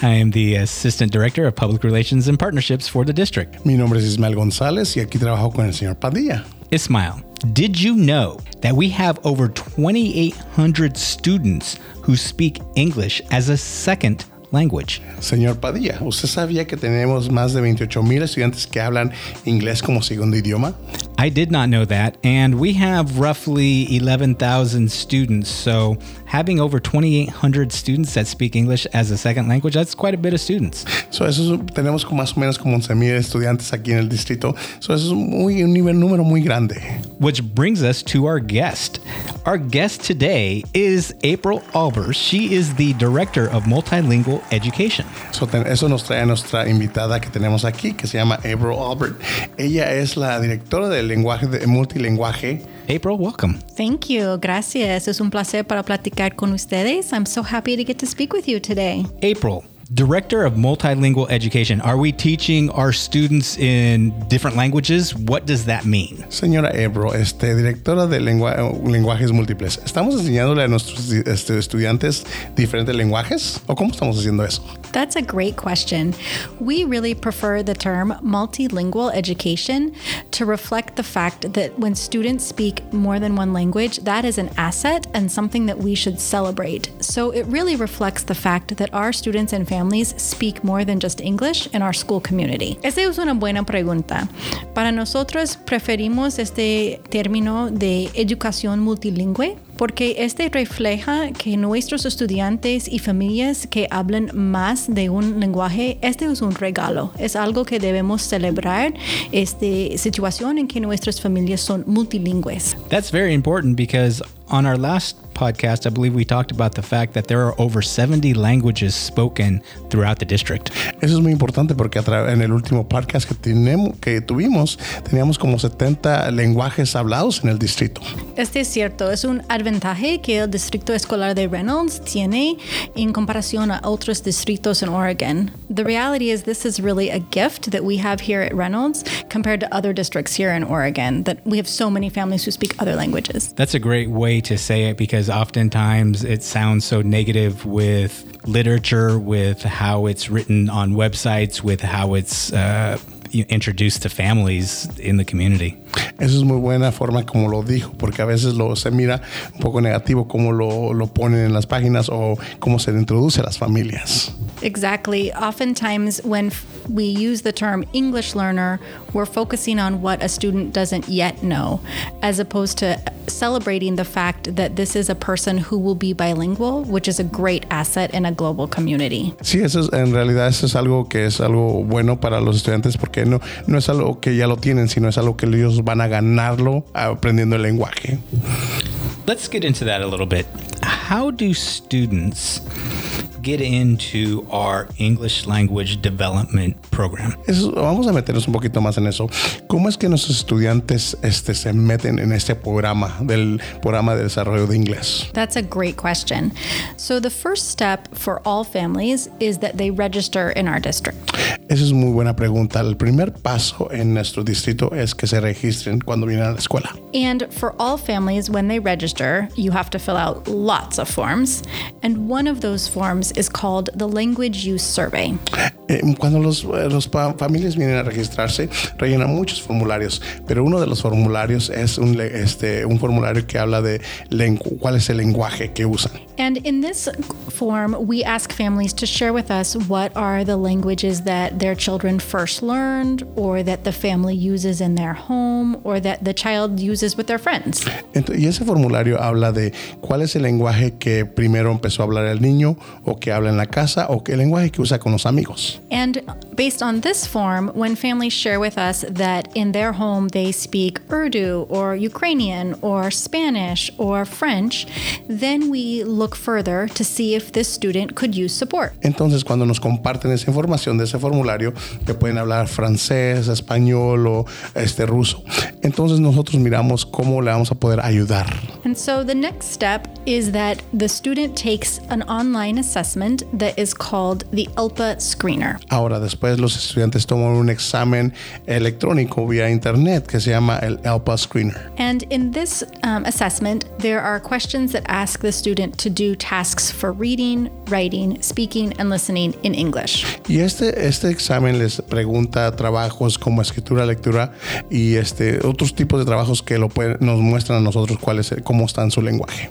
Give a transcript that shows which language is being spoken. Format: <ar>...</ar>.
<en>I am the Assistant Director of Public Relations and Partnerships for the district.</en> <es>Mi nombre es Ismael González y aquí trabajo con el señor Padilla.</es> <en>Ismael, did you know that we have over 2,800 students who speak English as a second language?</en> <es>Señor Padilla, ¿usted sabía que tenemos más de 28,000 estudiantes que hablan inglés como segundo idioma?</es> <en>I did not know that, and we have roughly 11,000 students, so having over 2,800 students that speak English as a second language, that's quite a bit of students.</en> <es>So eso es, tenemos más o menos como 11,000 estudiantes aquí en el distrito, so eso es un número muy grande.</es> <en>Which brings us to our guest. Our guest today is April Albers. She is the Director of Multilingual Education.</en> <es>So eso nos trae a nuestra invitada que tenemos aquí, que se llama April Albers. Ella es la directora del lenguaje de multilingüe.</es> <en>April, welcome. Thank you.</en> <es>Gracias. Es un placer para platicar con ustedes.</es> <en>I'm so happy to get to speak with you today. April, Director of Multilingual Education. Are we teaching our students in different languages? What does that mean?</en> <es>Señora Ebro, directora de lenguajes múltiples. ¿Estamos enseñándole a nuestros estudiantes diferentes lenguajes? ¿O cómo estamos haciendo eso?</es> <en>That's a great question. We really prefer the term multilingual education to reflect the fact that when students speak more than one language, that is an asset and something that we should celebrate. So it really reflects the fact that our students and families speak more than just English in our school community.</en> <es>Esa es una buena pregunta. Para nosotros preferimos este término de educación multilingüe porque este refleja que nuestros estudiantes y familias que hablan más de un lenguaje, este es un regalo. Es algo que debemos celebrar, esta situación en que nuestras familias son multilingües.</es> <en>That's very important because on our last podcast, I believe we talked about the fact that there are over 70 languages spoken throughout the district.</en> <es>Eso es muy importante porque en el último podcast que tuvimos, teníamos como 70 lenguajes hablados en el distrito. Este es cierto. Es un ventaja que el Distrito Escolar de Reynolds tiene en comparación a otros distritos en Oregon.</es> <en>The reality is this is really a gift that we have here at Reynolds compared to other districts here in Oregon, that we have so many families who speak other languages. That's a great way to say it because oftentimes it sounds so negative with literature, with how it's written on websites, with how it's introduced to families in the community.</en> <es>Eso es muy buena forma como lo dijo, porque a veces se mira un poco negativo como lo ponen en las páginas o cómo se introduce a las familias.</es> <en>Exactly. Oftentimes when we use the term English learner, we're focusing on what a student doesn't yet know, as opposed to celebrating the fact that this is a person who will be bilingual, which is a great asset in a global community.</en> <es>Sí, eso es, en realidad eso es algo que es algo bueno para los estudiantes porque no es algo que ya lo tienen, sino es algo que ellos van a ganarlo aprendiendo el lenguaje.</es> <en>Let's get into that a little bit. How do students get into our English language development program?</en> <es>Eso, vamos a meternos un poquito más en eso. ¿Cómo es que nuestros estudiantes se meten en este programa del programa de desarrollo de inglés?</es> <en>That's a great question. So the first step for all families is that they register in our district.</en> <es>Esa es muy buena pregunta. El primer paso en nuestro distrito es que se registren cuando vienen a la escuela.</es> <en>And for all families, when they register, you have to fill out lots of forms. And one of those forms is called the Language Use Survey.</en> <es>Cuando los familias vienen a registrarse, rellenan muchos formularios. Pero uno de los formularios es un formulario que habla de cuál es el lenguaje que usan.</es> <en>And in this form, we ask families to share with us what are the languages that their children first learned, or that the family uses in their home, or that the child uses with their friends.</en> <es>Y ese formulario habla de cuál es el lenguaje que primero empezó a hablar el niño, o que habla en la casa, o qué lenguaje que usa con los amigos.</es> <en>And based on this form, when families share with us that in their home they speak Urdu or Ukrainian or Spanish or French, then we look further to see if this student could use support.</en> <es>Entonces, cuando nos comparten esa información de ese formulario, que pueden hablar francés, español o ruso, entonces nosotros miramos cómo le vamos a poder ayudar.</es> <en>And so the next step is that the student takes an online assessment that is called the ELPA screener.</en> <es>Ahora después los estudiantes toman un examen electrónico vía internet que se llama el ELPA screener.</es> <en>And in this assessment, there are questions that ask the student to do tasks for reading, writing, speaking, and listening in English.</en> <es>Y este examen les pregunta trabajos como escritura, lectura y otros tipos de trabajos que nos muestran a nosotros cómo está en su lenguaje.</es>